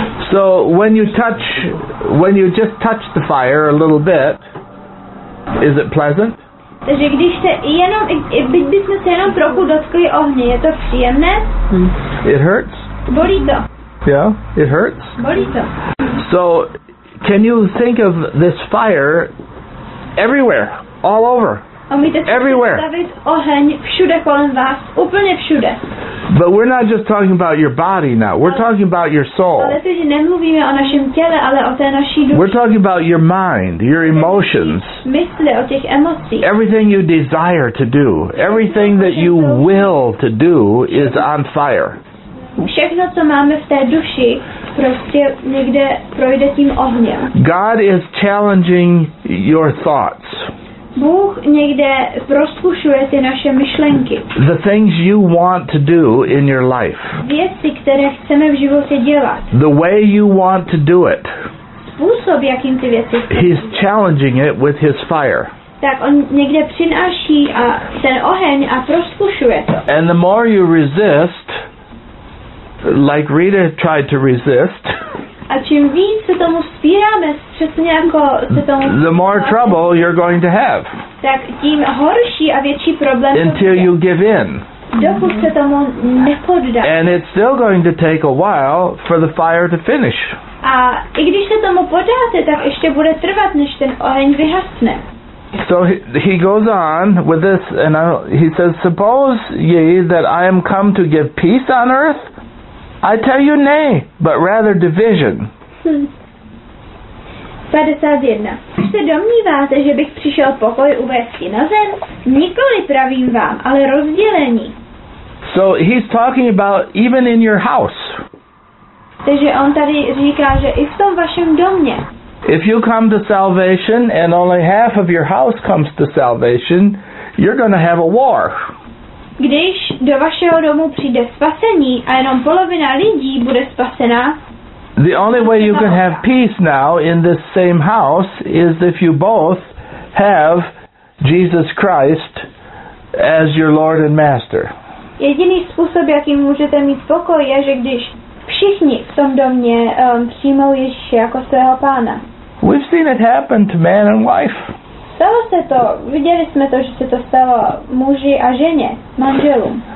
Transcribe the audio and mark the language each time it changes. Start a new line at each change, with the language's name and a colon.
English: So when you just touch the fire a little bit, is it pleasant?
Czech: Takže když se jenom, kdybychom se jenom trochu dotkli ohně, je to příjemné?
English: It hurts.
Czech: Bolí to.
English: Yeah, it hurts.
Czech: Bolí to.
English: So can you think of this fire everywhere, all over? Everywhere.
Czech: Oheň všude kolem vás, úplně všude.
English: But we're not just talking about your body now. We're talking about your soul. We're talking about your mind, your emotions. Everything you desire to do, everything that you will to do is on fire.
Czech: Všechno, co máme v té duši, prostě někde projde tím ohněm.
English: God is challenging your thoughts.
Czech: Bůh někde rozkušuje ty naše myšlenky.
English: The things you want to do in your life.
Czech: Věci, které chceme v životě dělat.
English: The way you want to do it.
Czech: Způsob, jakým ty věci chceme.
English: He's challenging it with his fire.
Czech: Tak on někde přináší ten oheň a rozkušuje to.
English: And the more you resist, like Rita tried to resist.
Czech: A čím víc se tomu spíráme, přesně jako se tomu spíráme,
English: the more trouble you're going to have.
Czech: Tak tím horší a větší problém.
English: Until you give in.
Czech: Dokud se tomu nepoddá.
English: And it's still going to take a while for the fire to finish.
Czech: A i když se tomu podáte, tak ještě bude trvat, než ten oheň vyhasne.
English: So he goes on with this, and he says, "Suppose ye that I am come to give peace on earth? I tell you nay, but rather division." 51.
Czech: Když se domníváte, že bych přišel pokoj uvést na zem, nikoli pravím vám, ale rozdělení.
English: So he's talking about even in your house.
Czech: Takže on tady říká, že i v tom vašem domě.
English: If you come to salvation and only half of your house comes to salvation, you're going to have a war.
Czech: Když do vašeho domu přijde spasení a jenom polovina lidí bude spasená.
English: The only way you can have peace now in this same house is if you both have Jesus Christ as your Lord and Master.
Czech: Jediný způsob, jakým můžete mít pokoj, je, že když všichni v tom domě přijmou Ježíše jako svého pána.
English: We've seen it happen to man and wife.
Czech: Stalo se to, viděli jsme to, že se to stalo muži a ženě, manželům.